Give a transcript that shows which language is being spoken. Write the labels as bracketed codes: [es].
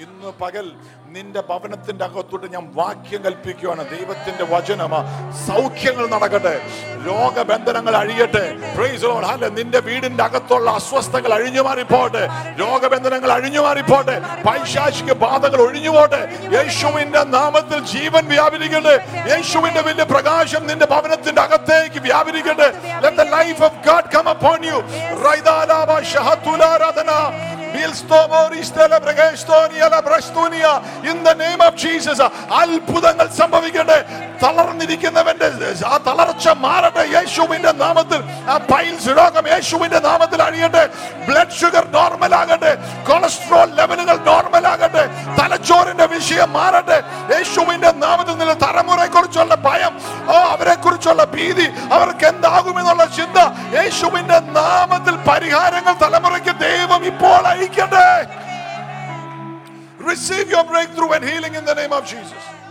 [ml] ഇന്ന് പകൽ നിന്റെ ഭവനത്തിന്റെ അകത്തോട്ട് ഞാൻ വാക്യം കൽപ്പിക്കുകയാണ്, ദൈവത്തിന്റെ വചനം, സൗഖ്യങ്ങൾ നടക്കട്ടെ, രോഗബന്ധനങ്ങൾ അഴിയട്ടെ. Praise Lord. ഹല്ലേലൂയ. നിന്റെ വീടിന്റെ അകത്തുള്ള അസ്വസ്ഥതകൾ അഴിഞ്ഞു മാറിപ്പോട്ടെ, രോഗബന്ധനങ്ങൾ അഴിഞ്ഞു മാറിപ്പോട്ടെ, പൈശാചിക ബാധകൾ ഒഴിഞ്ഞു പോട്ടെ. യേശുവിന്റെ നാമത്തിൽ ജീവൻ വ്യാപരിക്കട്ടെ, യേശുവിന്റെ വലിയ പ്രകാശം നിന്റെ ഭവനത്തിന്റെ അകത്തേക്ക് വ്യാപരിക്കട്ടെ. [en] Let the life of God come upon you. [ml] റൈദാലാബ ഷഹതുലാരാധന അത്ഭുതങ്ങൾ സംഭവിക്കട്ടെ. തളർന്നിരിക്കുന്നവന്റെ ആ തളർച്ച മാറട്ടെ യേശുവിന്റെ നാമത്തിൽ. ആ പൈൽസ് രോഗം യേശുവിന്റെ നാമത്തിൽ അഴിയട്ടെ. ബ്ലഡ് ഷുഗർ നോർമൽ ആകട്ടെ, കൊളസ്ട്രോൾ ലെവലുകൾ നോർമൽ ആകട്ടെ, തലച്ചോറിന്റെ വിഷയം മാറട്ടെ യേശുവിന്റെ നാമത്തിൽ. നിന്ന് തലമുറയെ കുറിച്ചുള്ള ഭയം, അവരെ കുറിച്ചുള്ള ഭീതി, അവർക്ക് എന്താകുമെന്നുള്ള ചിന്ത, യേശുവിന്റെ നാമത്തിൽ പരിഹാരങ്ങൾ തലമുറയ്ക്ക് ദൈവം ഇപ്പോൾ അയക്കട്ടെ. [en] Receive your breakthrough and healing in the name of Jesus.